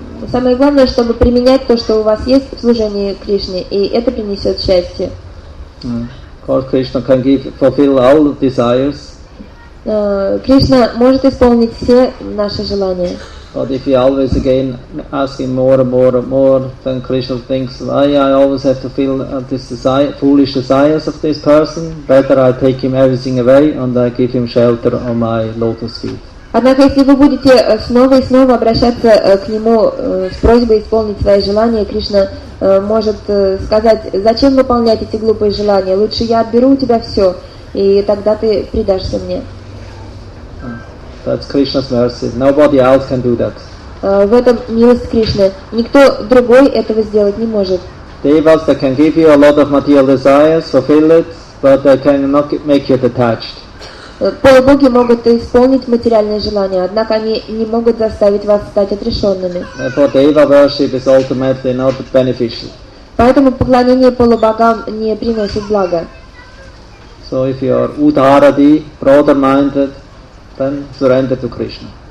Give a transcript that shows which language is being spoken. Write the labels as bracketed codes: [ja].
[ru] Самое главное, чтобы применять то, что у вас есть в служении Кришне, и это принесет счастье. [en] Of course, Krishna can fulfill all the desires. [ru] Кришна может исполнить все наши желания. [en] But if you always again asking more and more and more, then Krishna thinks, I always have to feel this desire, foolish desires of this person. Better I take him everything away and I give him shelter on my lotus feet. [ru] Однако если вы будете снова и снова обращаться к нему с просьбой исполнить свои желания, Кришна может сказать, зачем выполнять эти глупые желания? Лучше я отберу у тебя все, и тогда ты предашься мне. [en] That's Krishna's mercy. Nobody else can do that. [ru] В этом милость Кришны. Никто другой этого сделать не может. [en] Devas that can give you a lot of material desires, fulfill it, but they cannot make you detached. [ru] Полубоги могут исполнить материальные желания, однако они не могут заставить вас стать отрешенными. [en] Therefore, deva worship is ultimately not beneficial. [ru] Поэтому поклонение полубогам не приносит блага. [en] So if you are Udharadi, broader-minded, then surrender to Krishna.